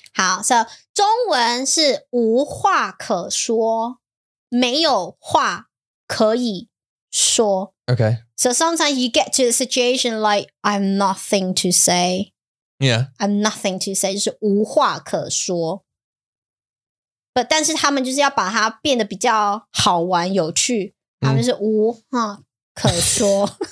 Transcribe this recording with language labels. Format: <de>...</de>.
<zh>好 so 中文是无话可说，没有话可以说。</zh> <en>Okay. So sometimes you get to the situation like, I have nothing to say. Yeah. I have nothing to say,</en> <zh>就是无话可说。 But 但是他们就是要把它变得比较好玩有趣，他们是无话可说。</zh>